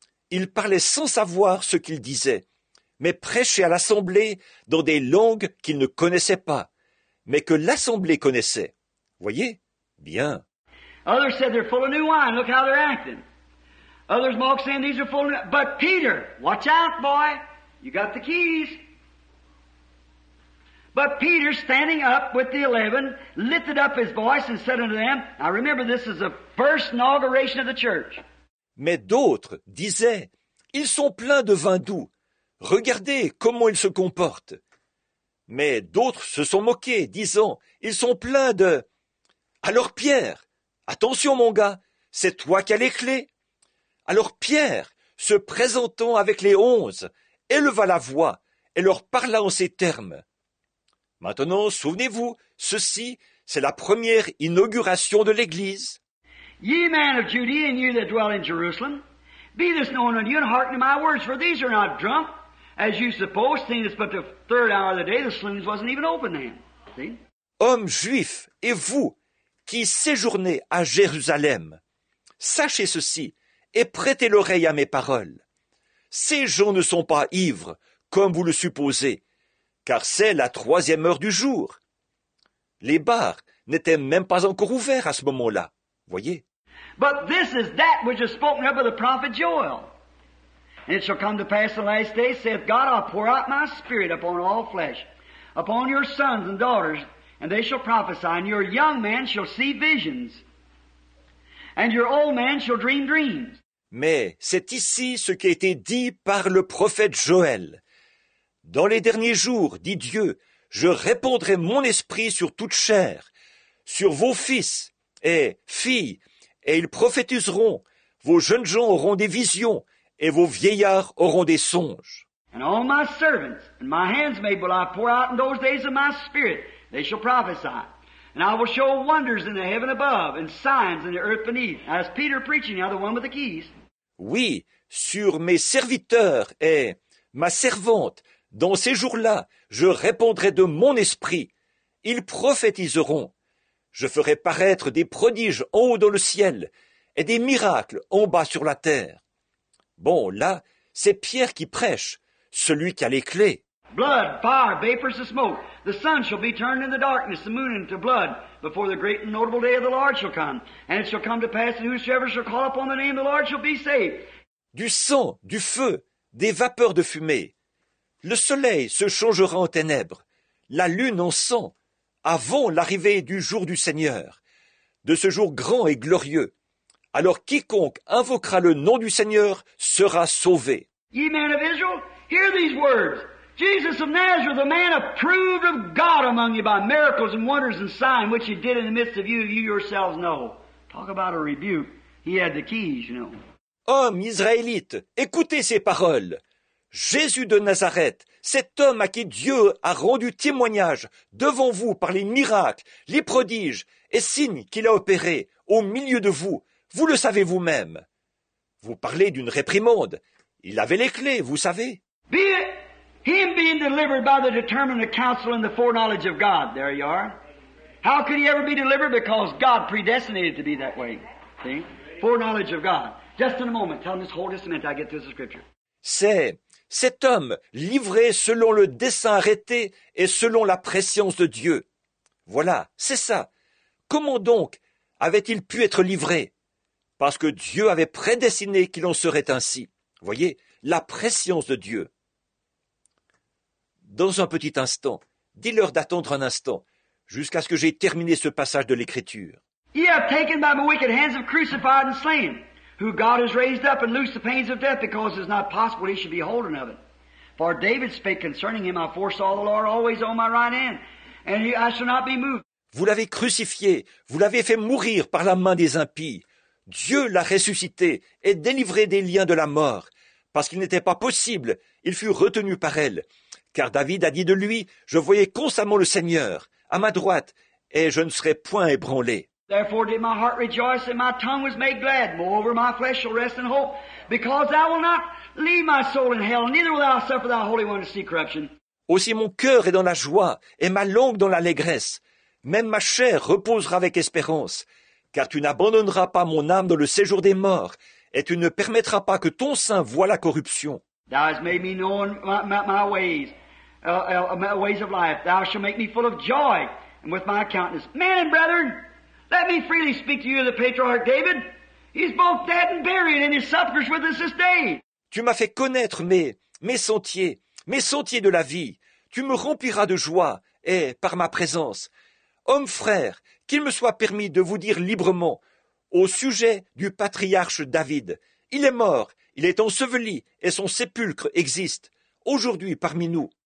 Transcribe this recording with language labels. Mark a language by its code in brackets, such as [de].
[fr] Ils parlaient sans savoir ce qu'ils disaient, mais prêchaient à l'assemblée dans des langues qu'ils ne connaissaient pas, mais que l'assemblée connaissait. Voyez? Bien. [en] Others said they're full of new wine. Look how they're acting. Others mock saying these are full of... But Peter, watch out, boy. You got the keys. But Peter, standing up with the 11, lifted up his voice and said unto them, now remember, this is the first inauguration of the church. [fr] Mais d'autres disaient, ils sont pleins de vin doux. Regardez comment ils se comportent. Mais d'autres se sont moqués, disant, ils sont pleins de... Alors Pierre, attention mon gars, c'est toi qui as les clés. Alors Pierre, se présentant avec les 11, éleva la voix et leur parla en ces termes. Maintenant, souvenez-vous, ceci, c'est la première inauguration de l'Église. [en] Ye men of Judea and you that dwell in Jerusalem, be this known unto you and hearken to my words, for these are not drunk, as you suppose, seeing it's but the third hour of the day, the saloons wasn't even open then. See? [fr] Hommes juifs, et vous, qui séjournez à Jérusalem, sachez ceci, et prêtez l'oreille à mes paroles. Ces gens ne sont pas ivres, comme vous le supposez, car c'est la troisième heure du jour. Les bars n'étaient même pas encore ouverts à ce moment-là. Voyez. [en] But this is that which is spoken of by the prophet Joel. And it shall come to pass the last day, saith God, I'll pour out my spirit upon all flesh, upon your sons and daughters, and they shall prophesy, and your young men shall see visions, and your old men shall dream dreams. [fr] Mais c'est ici ce qui a été dit par le prophète Joël. Dans les derniers jours, dit Dieu, je répandrai mon esprit sur toute chair, sur vos fils et filles, et ils prophétiseront, vos jeunes gens auront des visions, et vos vieillards auront des songes. [en] And all my servants, and my handmaids will I pour out in those days of my spirit, they shall prophesy. And I will show wonders in the heaven above, and signs in the earth beneath, as Peter preaching, now the one with the keys. [fr] Oui, sur mes serviteurs et ma servante, dans ces jours-là, je répandrai de mon esprit. Ils prophétiseront. Je ferai paraître des prodiges en haut dans le ciel et des miracles en bas sur la terre. Bon, là, c'est Pierre qui prêche, celui qui a les clés. [en] Blood, fire, vapors of smoke. The sun shall be turned into darkness, the moon into blood, before the great and notable day of the Lord shall come. And it shall come to pass that whosoever shall call upon the name of the Lord shall be saved. [fr] Du sang, du feu, des vapeurs de fumée. Le soleil se changera en ténèbres, la lune en sang, avant l'arrivée du jour du Seigneur, de ce jour grand et glorieux. Alors quiconque invoquera le nom du Seigneur sera sauvé. [en] Ye men of Israel, hear these words. Jesus of Nazareth, a man approved of God among you by miracles and wonders and signs which he did in the midst of you, you yourselves know. Talk about a rebuke. He had the keys, you know. [fr] Hommes israélites, écoutez ces paroles. Jésus de Nazareth, cet homme à qui Dieu a rendu témoignage devant vous par les miracles, les prodiges et signes qu'il a opérés au milieu de vous, vous le savez vous-même. Vous parlez d'une réprimande. Il avait les clés, vous savez. [en] Be it, him being delivered by the determined counsel and the foreknowledge of God. There you are. How could he ever be delivered? Because God predestinated to be that way. See? Foreknowledge of God. Just in a moment. Tell him just hold this a minute. I get to the scripture. [fr] C'est cet homme livré selon le dessein arrêté et selon la préscience de Dieu. Voilà, c'est ça. Comment donc avait-il pu être livré? Parce que Dieu avait prédestiné qu'il en serait ainsi. Voyez, la préscience de Dieu. Dans un petit instant, dis-leur d'attendre un instant, jusqu'à ce que j'aie terminé ce passage de l'Écriture. [en] Ye have taken by my wicked hands of crucified and slain, who God has raised up and loosed the pains of death, because it is not possible he should be holden of it. For David spake concerning him, I foresaw the Lord always on my right hand, and I shall not be moved. [fr] Vous l'avez crucifié, vous l'avez fait mourir par la main des impies. Dieu l'a ressuscité et délivré des liens de la mort. Parce qu'il n'était pas possible, il fut retenu par elle. Car David a dit de lui, « Je voyais constamment le Seigneur à ma droite, et je ne serai point ébranlé. » [en] Therefore did my heart rejoice, and my tongue was made glad. Moreover, my flesh shall rest in hope, because thou wilt not leave my soul in hell, neither will thou suffer thy Holy One to see corruption. [fr] Aussi mon cœur est dans la joie, et ma langue dans l'allégresse. Même ma chair reposera avec espérance, car tu n'abandonneras pas mon âme dans le séjour des morts, et tu ne permettras pas que ton sein voie la corruption. [en] Thou hast made me know my ways of life. Thou shalt make me full of joy and with my countenance. Men and brethren, let me freely speak to you of the patriarch David. He's both dead and buried, and he suffers with us this day. [fr] Tu m'as fait connaître mes sentiers de la vie. Tu me rempliras de joie et par ma présence. Homme frère, qu'il me soit permis de vous dire librement au sujet du patriarche David. Il est mort, il est enseveli et son sépulcre existe aujourd'hui parmi nous.